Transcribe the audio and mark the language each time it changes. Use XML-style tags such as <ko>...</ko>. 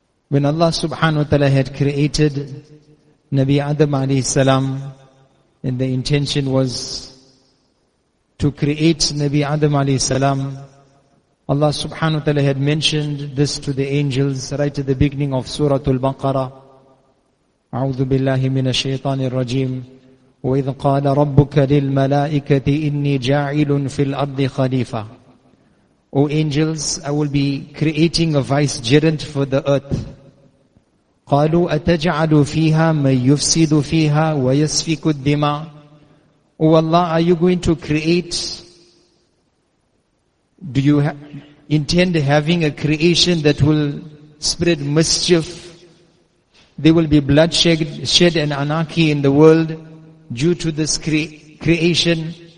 <en>When Allah subhanahu wa ta'ala had created Nabi Adam alayhi salam, and the intention was to create Nabi Adam alayhi salam, Allah subhanahu wa ta'ala had mentioned this to the angels right at the beginning of Surah Al-Baqarah.</en> <ar>أعوذ بالله من الشيطان الرجيم وإذ قال ربك للملائكة إني جاعل في الأرض خليفة.</ar> <en>O angels, I will be creating a vicegerent for the earth.</en> <ar>قالوا أتجعل فيها من يفسد فيها ويسفك الدماء.</ar> <en>O Allah, are you going to create? Do you intend having a creation that will spread mischief? There will be bloodshed, shed and anarchy in the world due to this creation.</en>